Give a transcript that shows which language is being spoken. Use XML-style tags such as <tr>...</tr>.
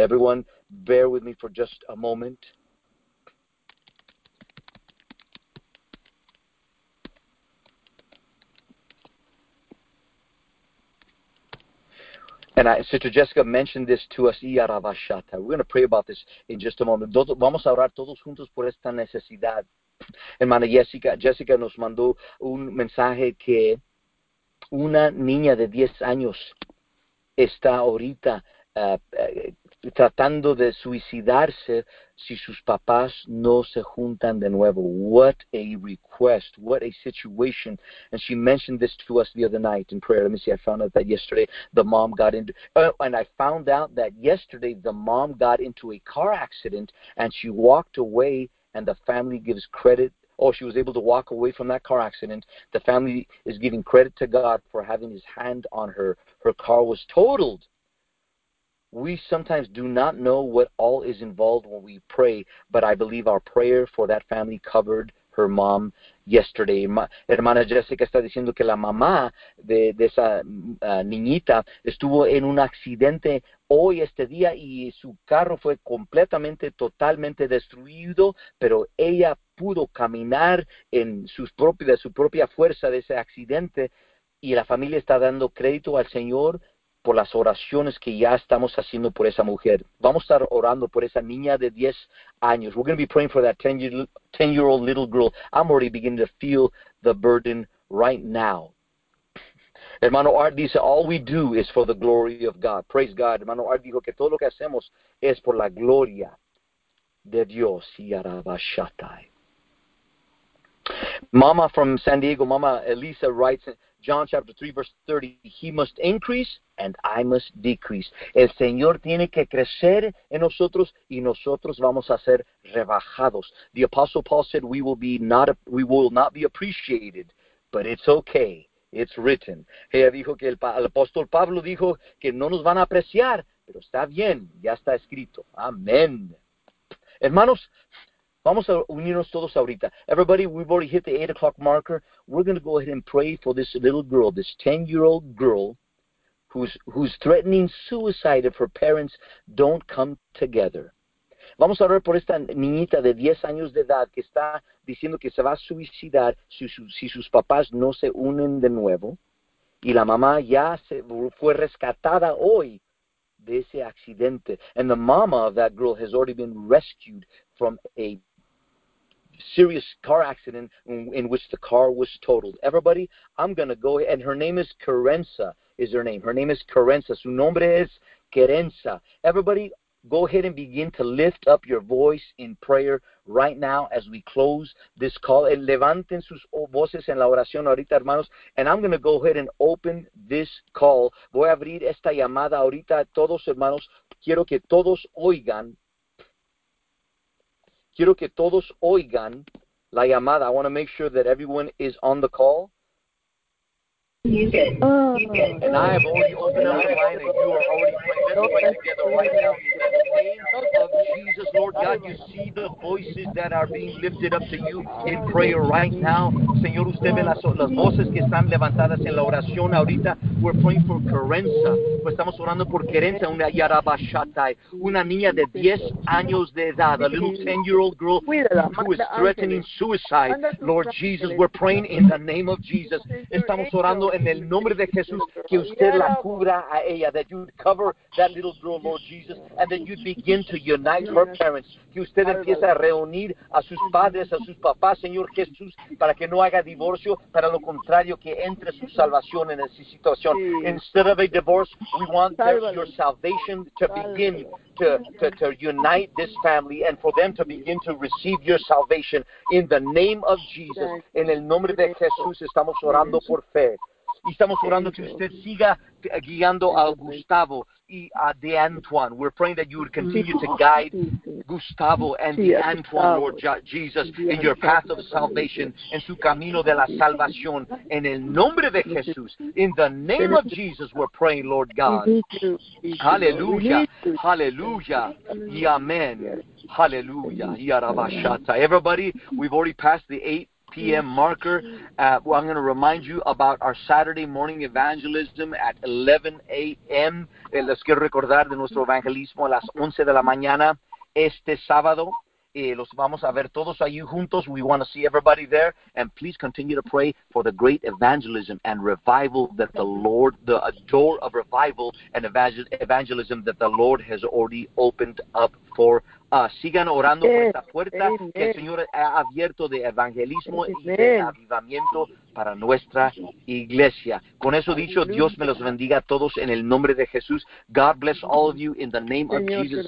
<en>Everyone, bear with me for just a moment. And Sister Jessica mentioned this to us. Yaravashata. We're going to pray about this in just a moment.</en> <es>Vamos a orar todos juntos por esta necesidad. Hermana Jessica nos mandó un mensaje que una niña de 10 años está ahorita tratando de suicidarse si sus papás no se juntan de nuevo.</es> <en>What a request. What a situation. And she mentioned this to us the other night in prayer. Let me see. I found out that yesterday the mom got into... and I found out that yesterday the mom got into a car accident and she walked away, and the family gives credit Oh, she was able to walk away from that car accident. The family is giving credit to God for having his hand on her. Her car was totaled. We sometimes do not know what all is involved when we pray, but I believe our prayer for that family covered her mom yesterday.</en> <es>Ma Hermana Jessica está diciendo que la mamá de esa niñita estuvo en un accidente hoy, este día, y su carro fue completamente, totalmente destruido, pero ella pudo caminar en su propia fuerza de ese accidente, y la familia está dando crédito al Señor por las oraciones que ya estamos haciendo por esa mujer. Vamos a estar orando por esa niña de 10 años.</es> <en>We're going to be praying for that 10-year-old little girl. I'm already beginning to feel the burden right now.</en> <es>Hermano Art dice,</es> <en>all we do is for the glory of God. Praise God.</en> <es>Hermano Art dijo que todo lo que hacemos es por la gloria de Dios. Yarabashatai.</es> <en>Mama from San Diego, Mama Elisa writes, John chapter 3, verse 30, he must increase and I must decrease.</en> <es>El Señor tiene que crecer en nosotros y nosotros vamos a ser rebajados.</es> <en>The Apostle Paul said, we will not be appreciated, but it's okay. It's written.</en> <es>Ella dijo que el apóstol Pablo dijo que no nos van a apreciar, pero está bien, ya está escrito. Amén. Hermanos, vamos a unirnos todos ahorita.</es> <en>Everybody, we've already hit the 8 o'clock marker. We're going to go ahead and pray for this little girl, this 10-year-old girl who's threatening suicide if her parents don't come together.</en> <es>Vamos a orar por esta niñita de 10 años de edad que está diciendo que se va a suicidar si sus papás no se unen de nuevo. Y la mamá ya fue rescatada hoy de ese accidente.</es> <en>And the mama of that girl has already been rescued from a serious car accident in which the car was totaled. Everybody, I'm going to go, and her name is Carenza, is her name. Her name is Carenza.</en> <es>Su nombre es Carenza.</es> <en>Everybody, go ahead and begin to lift up your voice in prayer right now as we close this call.</en> <es>Levanten sus voces en la oración ahorita, hermanos.</es> <en>And I'm going to go ahead and open this call.</en> <es>Voy a abrir esta llamada ahorita a todos, hermanos. Quiero que todos oigan. Quiero que todos oigan la llamada. I want to make sure that everyone is on the call.</es> <en>You oh. And I have already opened up the line, and you are already praying together right now. In the name of Jesus, Lord God, you see the voices that are being lifted up to you in prayer right now.</en> <es>Señor, usted ve las voces que están levantadas en la oración ahorita.</es> <en>We're praying for Carenza.</en> <es>Estamos orando por Carenza, una Yarabashatai, una niña de 10 años de edad,</es> <en>a little 10-year-old girl who is threatening suicide. Lord Jesus, we're praying in the name of Jesus.</en> <es>Estamos orando en el nombre de Jesús, que usted la cubra a ella,</es> <en>that you'd cover that little girl, Lord Jesus, and that you'd begin to unite her parents,</en> <es>que usted empiece a reunir a sus padres, a sus papás, Señor Jesús, para que no haga divorcio, para lo contrario, que entre su salvación en esa situación.</es> <en>Instead of a divorce, we want your salvation to begin to unite this family and for them to begin to receive your salvation in the name of Jesus.</en> <es>En el nombre de Jesús estamos orando por fe. Y estamos orando que usted siga guiando a Gustavo y a De Antoine.</es> <en>We're praying that you would continue to guide Gustavo and De Antoine, Lord Jesus, in your path of salvation,</en> <es>en su camino de la salvación. En el nombre de Jesús,</es> <en>in the name of Jesus, we're praying, Lord God. Hallelujah. Hallelujah.</en> <es>Y amen. Hallelujah.</es> <en>Everybody, we've already passed the 8 p.m. marker. Well, I'm going to remind you about our Saturday morning evangelism at 11 a.m.</en> <es>Les quiero recordar de nuestro evangelismo a las 11 de la mañana este sábado. Los vamos a ver todos ahí juntos.</es> <en>We want to see everybody there. And please continue to pray for the great evangelism and revival that the Lord, the door of revival and evangelism that the Lord has already opened up for us.</en> <es>Sigan orando por esta puerta que el Señor ha abierto de evangelismo y de avivamiento para nuestra iglesia. Con eso dicho, Dios me los bendiga a todos en el nombre de Jesús.</es> <en>God bless all of you in the name of Jesus.</en>